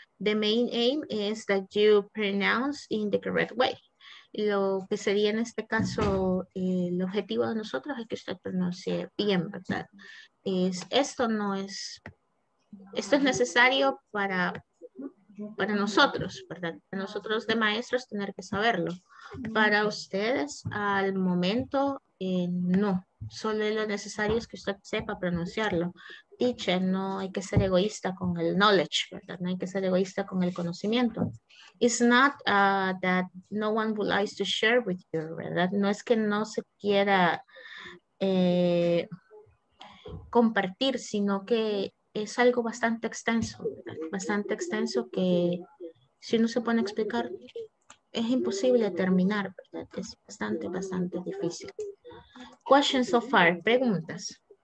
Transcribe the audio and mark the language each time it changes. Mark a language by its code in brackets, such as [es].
[en] The main aim is that you pronounce in the correct way. [es] Lo que sería en este caso el objetivo de nosotros es que usted pronuncie bien, ¿verdad? Esto no es... Esto es necesario para para nosotros, ¿verdad? Para nosotros de maestros tener que saberlo. Para ustedes, al momento, no. Solo lo necesario es que usted sepa pronunciarlo. Teacher, no hay que ser egoísta con el knowledge, ¿verdad? No hay que ser egoísta con el conocimiento. [en] It's not that no one would like to share with you, [es] ¿verdad? No es que no se quiera compartir, sino que es algo bastante extenso, ¿verdad? Bastante extenso que si uno se pone a explicar, es imposible terminar, ¿verdad? Es bastante, bastante difícil. [en] Questions so far, [es] preguntas.